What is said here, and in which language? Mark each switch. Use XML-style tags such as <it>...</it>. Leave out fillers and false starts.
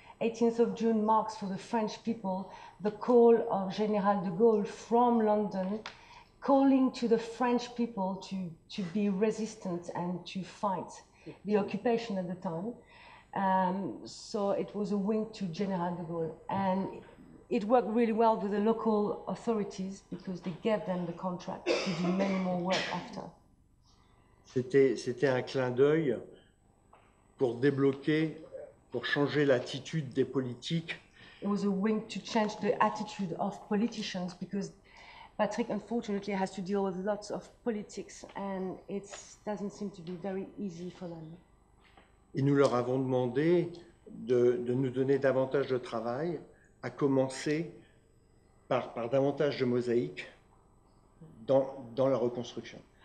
<en>18th of June marks for the French people the call of General de Gaulle from London, calling to the French people to be resistant and to fight the occupation at the time. So it was a wink to General de Gaulle. And it worked really well with the local authorities because they gave them the contract to do many more work after.</en> <fr>C'était un clin d'œil pour débloquer, pour changer l'attitude des politiques.</fr> <en>It was a wink to change the attitude of politicians because Patrick, unfortunately, has to deal with lots of politics and it doesn't seem to be very easy for them.</en> <fr>Et nous leur avons demandé de nous donner davantage de travail, à commencer par davantage de mosaïques dans la reconstruction.</fr>